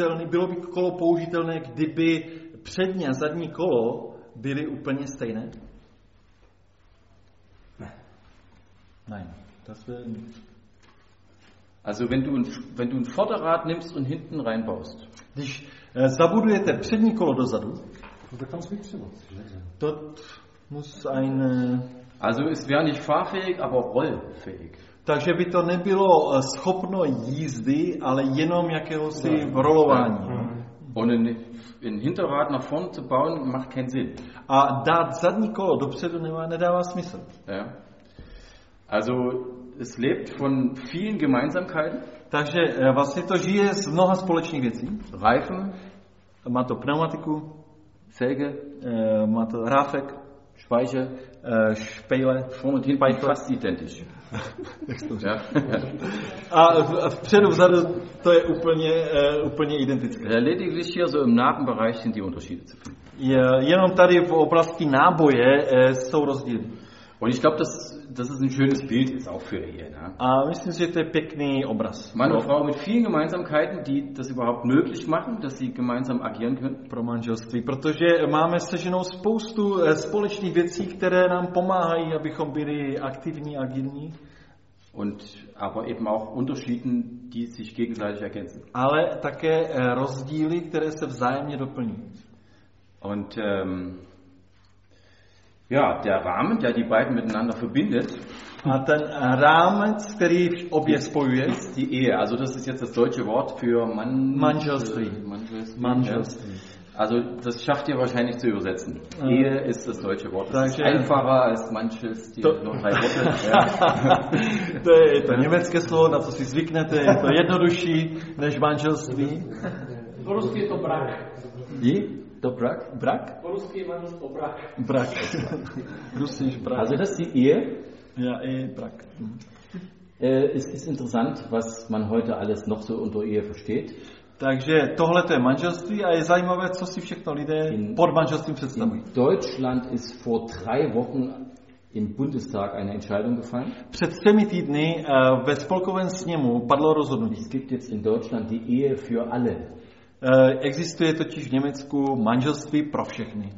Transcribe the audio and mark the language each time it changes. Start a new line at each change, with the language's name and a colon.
Czech: Bylo by kolo použitelné, kdyby přední a zadní kolo byly úplně stejné?
German: Nein. Das wäre also wenn du ein Vorderrad nimmst und hinten reinbaust.
Czech: Když zabudujete přední kolo dozadu,
German: to kannst du nicht. Dort muss eine. Also es wäre nicht fahrfähig, aber rollfähig.
Czech: Takže by to nebylo schopno jízdy, ale jenom jakéhosi rolování.
German: Und ein Hinterrad nach vorne zu bauen macht keinen Sinn.
Czech: A dát zadní kolo dopředu nedává smysl.
German: Ja. Also es lebt von vielen Gemeinsamkeiten.
Czech: Takže vlastně to žije z mnoha společných věcí.
German: Reifen.
Czech: Má to pneumatiku.
German: Felge.
Czech: Má to ráfek.
German: Speiche, Speile, vorne und hinten fast identisch. Ja.
Czech: A vpředu vzadu to je úplně identické.
German: Lediglich hier so im Nabenbereich sind die Unterschiede zu finden.
Czech: Ja, jenom tady v oblasti náboje jsou rozdíly.
German: Und ich glaube, das ist ein schönes Bild jetzt auch für hier, ne?
Czech: A myslím si, že to je pěkný obraz.
German: Mann und Frau mit vielen Gemeinsamkeiten, die das überhaupt möglich machen, dass sie gemeinsam agieren können.
Czech: Pro manželství, protože máme se ženou spoustu společných věcí, které nám pomáhají, abychom byli aktivní, agilní.
German: Und aber eben auch Unterschieden, die sich gegenseitig ergänzen.
Czech: Ale také rozdíly, které se vzájemně doplní.
German: Und ja, der Rahmen, der die beiden miteinander verbindet.
Czech: A ten Rahmen, který obě spojuje.
German: Ist die Ehe. Also das ist jetzt das deutsche Wort für
Czech: Manželství. Manželství.
German: Also das schafft ihr wahrscheinlich zu übersetzen. Ehe ist das deutsche Wort. Das ist einfacher als manches, die noch drei Worte.
Czech: To je to německé slovo, na co si zvyknete. Je to jednodušší než manželství. Po rusky je to brak.
German: Wie? Brak?
Russian: Brak?
Czech: Po rusky je manželstvo brak.
German: Brak. Russisch brak. Also das ist die Ehe. Ja, Ehe, brak. Es ist interessant, was man heute alles noch so unter Ehe versteht.
Czech: Takže tohle to je manželství a je zajímavé, co si všechno lidé pod manželstvím představují.
German: In Deutschland ist vor drei Wochen im Bundestag eine Entscheidung gefallen.
Czech: Před třemi týdny ve spolkovém sněmu padlo rozhodnutí.
German: Es gibt jetzt in Deutschland die Ehe für alle.
Czech: Existuje totiž v Německu manželství pro všechny.